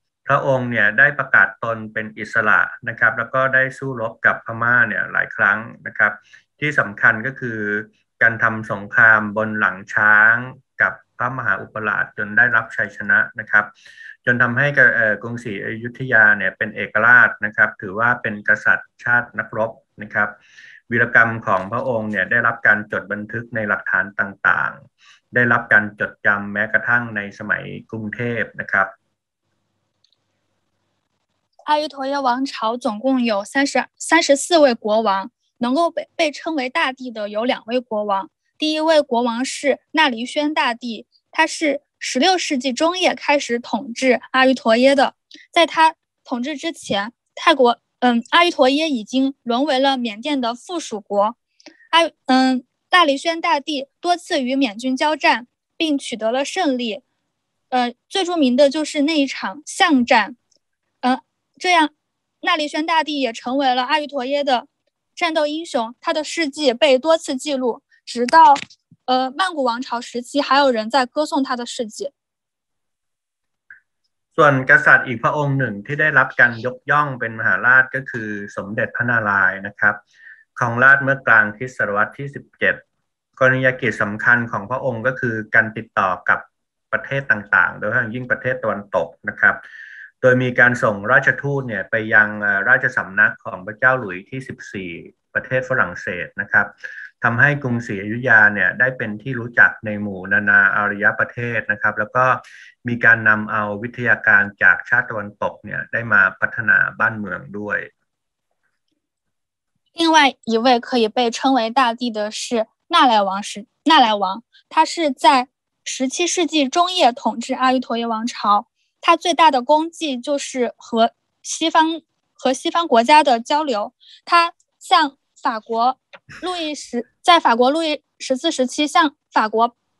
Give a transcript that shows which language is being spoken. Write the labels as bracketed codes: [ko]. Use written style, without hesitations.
[th] พระองค์เนี่ยได้ประกาศตนเป็นอิสระนะครับแล้วก็ได้สู้รบกับพม่าเนี่ยหลายครั้งนะครับที่สำคัญก็คือการทำสงครามบนหลังช้างกับพระมหาอุปราชจนได้รับชัยชนะนะครับจนทำให้กรุงศรีอยุธยาเนี่ยเป็นเอกราชนะครับถือว่าเป็นกษัตริย์ชาตินักรบนะครับวีรกรรมของพระองค์เนี่ยได้รับการจดบันทึกในหลักฐานต่างๆได้รับการจดจำแม้กระทั่งในสมัยกรุงเทพนะครับ [zh] อายุทโยวังชาว总共有34位国王能够被称为大帝的有2位国王第一位国王是纳黎宣大帝他是16世纪中叶开始统治阿育陀耶的在他统治之前泰国阿育陀耶已经沦为了缅甸的附属国大黎宣大帝多次与缅军交战并取得了胜利最著名的就是那一场巷战这样纳黎宣大帝也成为了阿育陀耶的战斗英雄他的事迹被多次记录直到曼谷王朝时期还有人在歌颂他的事迹 [th] ส่วนกษัตริย์อีกพระองค์หนึ่งที่ได้รับการยกย่องเป็นมหาราชก็คือสมเด็จพระนารายณ์นะครับครองราชเมื่อกลางคริสต์ศตวรรษที่17กรณียกิจสำคัญของพระองค์ก็คือการติดต่อกับประเทศต่างๆโดยเฉพาะยิ่งประเทศตะวันตกนะครับ โดยมีการส่งราชทูตเนี่ยไปยังราชสำนักของพระเจ้าหลุยที่14ประเทศฝรั่งเศสนะครับทำให้กรุงศรีอยุธยาเนี่ยได้เป็นที่รู้จักในหมู่นานาอารยประเทศนะครับแล้วก็มีการนำเอาวิทยาการจากชาติตะวันตกเนี่ยได้มาพัฒนาบ้านเมืองด้วย [zh] 另外一位可以被称为大帝的是纳莱王他是在17世纪中叶统治阿育陀耶王朝他最大的功绩就是和西方国家的交流他向法国路易十四时期向法国